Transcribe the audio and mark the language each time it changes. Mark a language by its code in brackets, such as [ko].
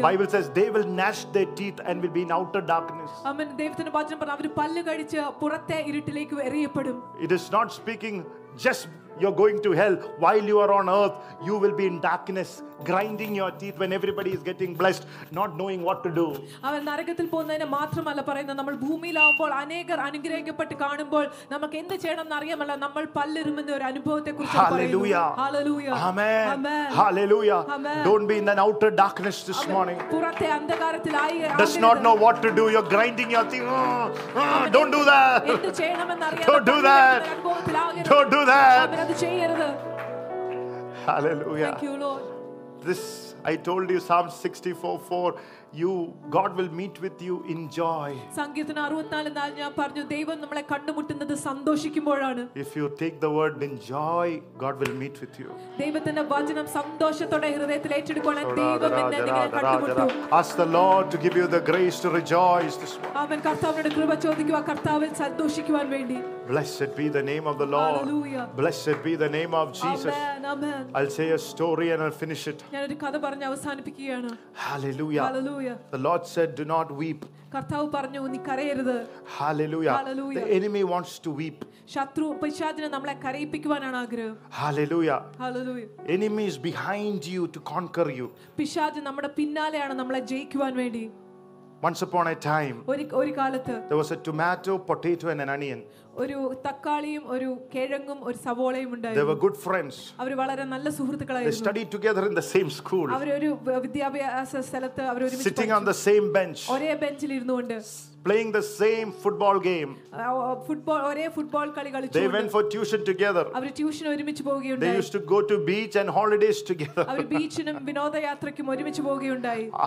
[en] Bible says they will gnash their teeth and will be in outer darkness. Amen. [ml] ദൈവത്തിന്റെ വചനം പറയുന്നു അവര് പല്ല് കടിച്ച് പുറത്തെ ഇരുട്ടിലേക്ക് എറിയപ്പെടും. [en] It is not speaking just you're going to hell while you are on earth you will be in darkness grinding your teeth when everybody is getting blessed not knowing what to do [ml] അവൻ നരകത്തിൽ പോകുന്നതിനെ മാത്രമല്ല പറയുന്നത് നമ്മൾ ഭൂമിയിൽ ആവുമ്പോൾ അനേകർ അനുഗ്രഹിക്കപ്പെട്ട് കാണുമ്പോൾ നമുക്ക് എന്ത് ചെയ്യണം എന്നറിയാമല്ല നമ്മൾ പല്ലിരുമെന്ന ഒരു അനുഭവത്തെ കുറിച്ച് [en] hallelujah hallelujah amen amen hallelujah amen. Don't be in an outer darkness this morning [ml] പുറത്തെ അന്ധകാരത്തിൽ ആയി [en] does not know what to do you're grinding your teeth don't do that [ml] എന്ത് ചെയ്യണം എന്നറിയാതെ [en] don't do that don't do that Hallelujah. Thank you, Lord. This, I told you, Psalm 64:4, you, God will meet with you in joy. [ml] സംഗീതം 64:4 ഞാൻ പറഞ്ഞു ദൈവം നമ്മളെ കണ്ടുമുട്ടുന്നത് സന്തോഷിക്കുമ്പോഴാണ്. [en] If you take the word in joy, God will meet with you. [ml] ദൈവത്തിന്റെ വചനം സന്തോഷത്തോടെ ഹൃദയത്തിൽ ഏറ്റെടുക്കുകയാണ് ദൈവം എന്നെ നിങ്ങളെ കണ്ടുമുട്ടും. [en] Ask the Lord to give you the grace to rejoice this morning. [ml] ആമേൻ കർത്താവിന്റെ കൃപ ചോദിക്കുക കർത്താവിൽ സന്തോഷിക്കുവാൻ വേണ്ടി. [en] Blessed be the name of the Lord. Hallelujah. Blessed be the name of Jesus. Amen. Amen. I'll say a story and I'll finish it. [ml] ഞാൻ ഒരു കഥ പറഞ്ഞു അവസാനിപ്പിക്കുകയാണ്. [en] Hallelujah. Hallelujah. The Lord said, "Do not weep." [ml] കർത്താവ് പറഞ്ഞു നീ കരയരുത്. [en] Hallelujah. Hallelujah. The enemy wants to weep. [ml] ശത്രു പിശാചിനെ നമ്മളെ കരയിപ്പിക്കുവാനാണ് ആഗ്രഹം. [en] Hallelujah. Hallelujah. Enemy is behind you to conquer you. [ml] പിശാച് നമ്മുടെ പിന്നാലെയാണ് നമ്മളെ ജയിക്കുവാൻ വേണ്ടി. [en] Once upon a time, there was a tomato, potato and an onion. [ml] ഒരു തക്കാളിയും ഒരു കിഴങ്ങും ഒരു സവോളയും ഉണ്ടായിരുന്നു. [en] They were good friends. [ml] അവർ വളരെ നല്ല സുഹൃത്തുക്കളായിരുന്നു. [en] They studied together in the same school. [ml] അവർ ഒരു വിദ്യാഭ്യാസ സ്ഥലത്ത് അവർ ഒരുമിച്ച് [en] sitting on the same bench. [ml] ഒരേ ബെഞ്ചിൽ ഇരുന്നുകൊണ്ട് [en] playing the same football game. [ml] Football ഒരേ ഫുട്ബോൾ കളി കളിച്ചു. [en] They went for tuition together. [ml] Our tuition ഒരുമിച്ച് പോവുകയുണ്ടായി. [en] They used to go to beach and holidays together. [ml] അവർ ബീച്ചിനും വിനോദയാത്രയ്ക്കും ഒരുമിച്ച് പോവുകയുണ്ടായി.